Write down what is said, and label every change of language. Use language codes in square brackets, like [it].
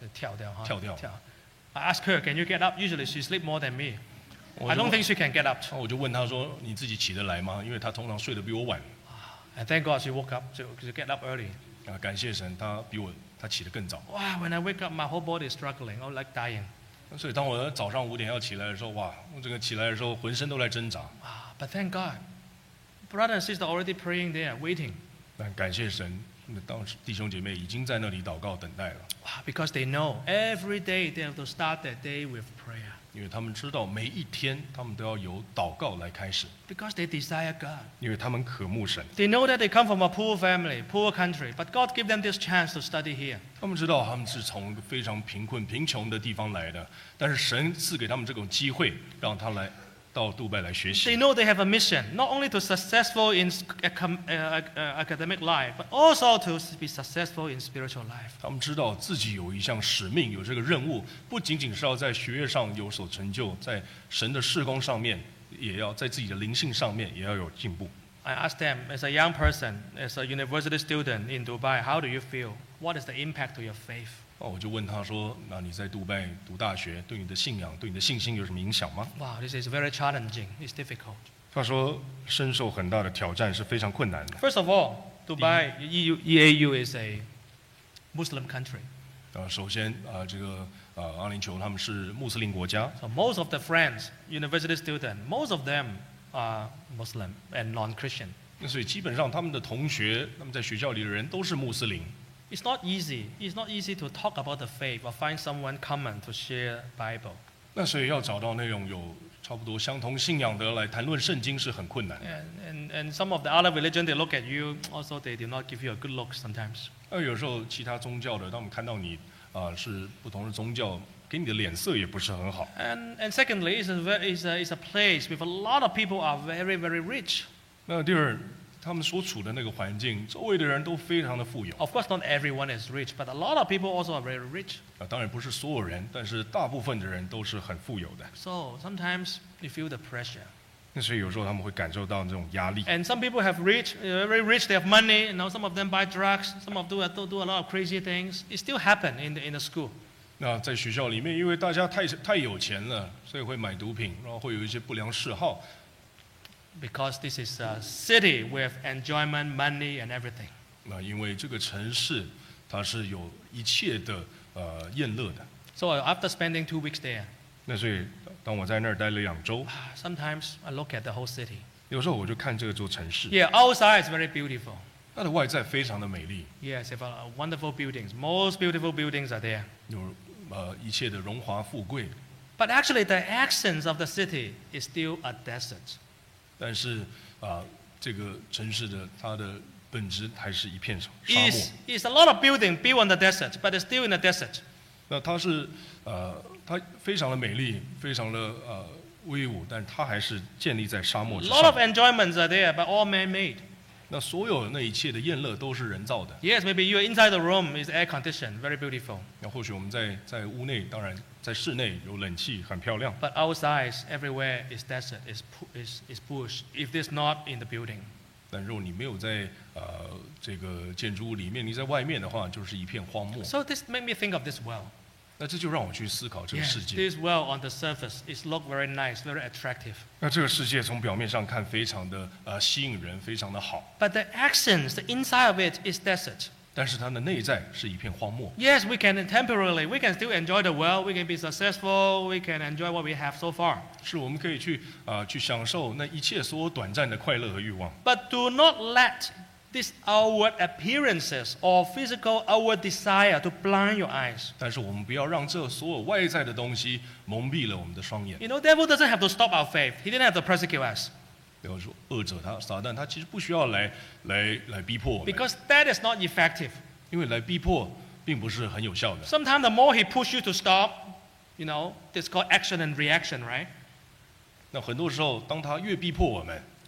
[zh] 跳掉。 [en] I ask her, can you get up? Usually she sleep more than me. I don't think she can get up. [zh] 我就问她说，你自己起得来吗？因为她通常睡得比我晚。 [en] And thank God she woke up, she get up early. [zh] 感谢神，她起得更早。 [en] Wow, when I wake up, my whole body is struggling, I'm like dying. [zh] 所以当我早上五点要起来的时候，哇，我这个起来的时候浑身都在挣扎。 [en] But thank God, brother and sister already praying there, waiting. [zh] 感谢神，当时弟兄姐妹已经在那里祷告等待了。 [en] Wow, because they know every day they have to start that day with prayer. [zh] 因为他们知道每一天他们都要由祷告来开始。 [en] Because they desire God. [zh] 因为他们渴慕神。 [en] They know that they come from a poor family, poor country, but God gave them this chance to study here. [zh] 他们知道他们是从非常贫困、贫穷的地方来的，但是神赐给他们这种机会，让他来到杜拜来学习。 [en] They know they have a mission, not only to successful in academic life, but also to be successful in spiritual life. [zh] 他们知道自己有一项使命，有这个任务，不仅仅是要在学业上有所成就，在神的事工上面。也要在自己的灵性上面也要有进步。 [en] I asked them, as a young person, as a university student in Dubai, how do you feel? What is the impact to your faith? [zh] 我就问他说，那你在杜拜读大学，对你的信仰，对你的信心有什么影响吗？ [en] Wow, this is very challenging. It's difficult. [zh] 他说，深受很大的挑战，是非常困难的。 [en] First of all, Dubai, EAU is a Muslim country. [zh] 首先，这个阿联酋他们是穆斯林国家。 [en] So most of the friends, university students, most of them. Muslim and non-Christian. [zh] 所以基本上他们的同学，他们在学校里的人都是穆斯林。 [en] It's not easy. It's not easy to talk about the faith or find someone common to share Bible. [zh] 那所以要找到那种有差不多相同信仰的来谈论圣经是很困难的。 [en] And some of the other religion, they look at you. Also, they do not give you a good look sometimes. [zh] 有时候其他宗教的，当我们看到你是不同的宗教。给你的脸色也不是很好。 [en] And secondly, it's a place with a lot of people are very very rich. [zh] 那第二，他们所处的那个环境，周围的人都非常的富有。 [en] Of course, not everyone is rich, but a lot of people also are very rich. [zh] 当然不是所有人，但是大部分的人都是很富有的。 [en] So sometimes you feel the pressure. [zh] 那所以有时候他们会感受到这种压力。 [en] And some people have rich, very rich, they have money. You know, some of them buy drugs, some of them do a lot of crazy things. It still happen in the school. [zh] 那在学校里面，因为大家太有钱了，所以会买毒品，然后会有一些不良嗜好。 [en] Because this is a city with enjoyment, money, and everything. [zh] 那因为这个城市，它是有一切的宴乐的。 [en] So after spending 2 weeks there. [zh] 那所以当我在那儿待了两周。 [en] Sometimes I look at the whole city. [zh] 有时候我就看这座城市。 [en] Yeah, outside is very beautiful. [zh] 它的外在非常的美丽。 [en] Yes, have a wonderful buildings. Most beautiful buildings are there. [zh] 有一切的荣华富贵。 [en] But actually, the essence of the city is still a desert. [zh] 但是这个城市的它的本质还是一片沙漠。 [en] It's a lot of building built on the desert, but it's still in the desert. [zh] 那它是它非常的美丽，非常的威武，但它还是建立在沙漠之上。 [en] A lot of enjoyments are there, but all man-made. [zh] 那所有那一切的宴乐都是人造的。 [en] Yes, maybe you are inside the room is air conditioned, very beautiful. [zh] 那或许我们在屋内，当然在室内有冷气，很漂亮。 [en] But outside, everywhere is desert, is bush. If this not in the building. [zh] 但如果你没有在这个建筑物里面，你在外面的话，就是一片荒漠。 [en] So this make me think of this well. [zh] 那这就让我去思考这个世界。 [en] Yes, this well on the surface is look very nice, very attractive. [zh] 那这个世界从表面上看非常的吸引人，非常的好。 [en] But the essence, the inside of it is desert. [zh] 但是它的内在是一片荒漠。 [en] Yes, we can temporarily, we can still enjoy the world, we can be successful, we can enjoy what we have so far. [zh] 是我们可以去享受那一切所短暂的快乐和欲望。 [en] But do not let these outward appearances or physical outward desire to blind your eyes. [zh] 但是我们不要让这所有外在的东西蒙蔽了我们的双眼。 [en] You know, devil doesn't have to stop our faith. He didn't have to persecute us. [zh] 比如说，恶者他撒旦，他其实不需要来逼迫我们。 [en] Because that is not effective. [zh] 因为来逼迫并不是很有效的。 [en] Sometimes the more he push you to stop, you know, it's called action and reaction, right? [zh] 那很多时候，当他越逼迫我们。